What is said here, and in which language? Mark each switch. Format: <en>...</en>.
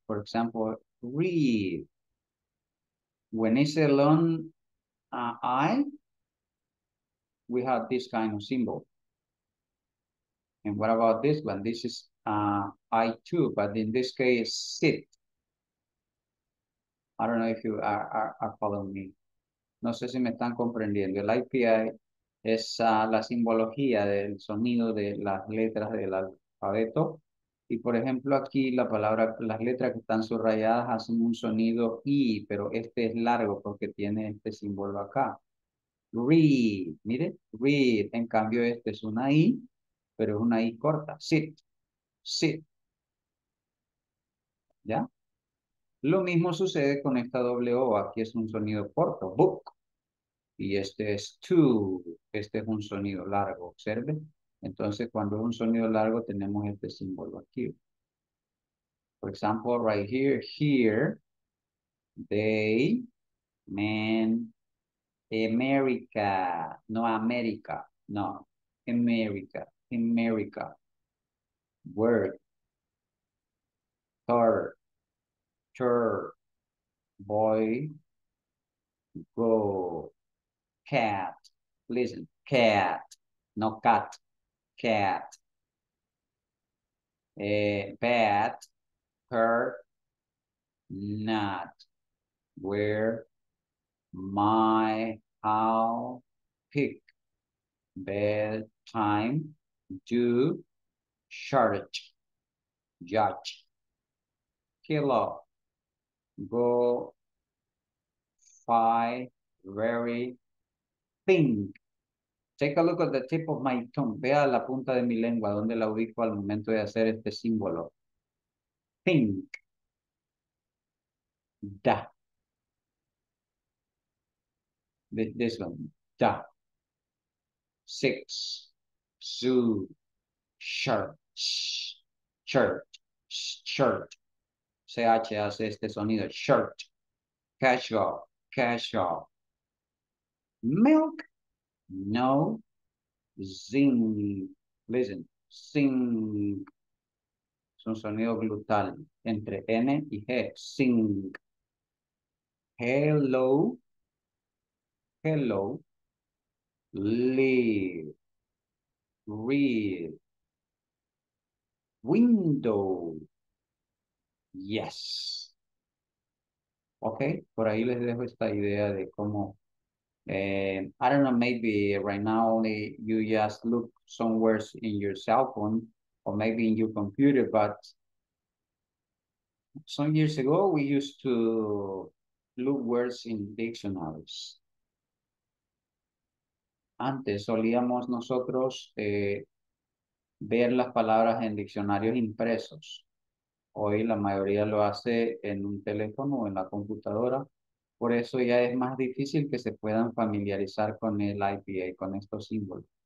<en>For example, read. When it's a long I, we have this kind of symbol. And what about this one? This is I too, but in this case, sit. I don't know if you are following me.</en> <es>No sé si me están comprendiendo. El IPI es la simbología del sonido de las letras del alfabeto. Y por ejemplo, aquí la palabra, las letras que están subrayadas hacen un sonido I, pero este es largo porque tiene este símbolo acá. Read, mire, read. En cambio, este es una I, pero es una I corta. Sit. ¿Ya? Lo mismo sucede con esta doble O. Aquí es un sonido corto. Book. Y este es two. Este es un sonido largo. Observen. Entonces, cuando es un sonido largo, tenemos este símbolo aquí.</es> <en>For example, right here, here, they, men, America, no America, no, America, America, word, car, chur, boy, go, cat, listen, cat, no cat, cat, bat, hurt, not, where, my, how, pick, bed, time, do, charge, judge, kilo, go, fight, very, think. Take a look at the tip of my tongue.</en> <es>Vea la punta de mi lengua, donde la ubico al momento de hacer este símbolo.</es> <en>Think. Da. This one. Da. Six. Zoo. Shirt. Shirt. Shirt.</en> <es>CH hace este sonido.</es> <en>Shirt. Casual. Casual. Milk. No. Zing. Listen. Sing.</en> <es>Es un sonido glutal entre N y G.</es> <en>Sing. Hello. Hello. Leave. Read. Window. Yes. Okay.</en> <es>Por ahí les dejo esta idea de cómo.</es> <en>I don't know, maybe right now only you just look somewhere in your cell phone or maybe in your computer, but some years ago we used to look words in dictionaries.</en> <es>Antes solíamos nosotros ver las palabras en diccionarios impresos. Hoy la mayoría lo hace en un teléfono o en la computadora. Por eso ya es más difícil que se puedan familiarizar con el IPA, con estos símbolos.</es>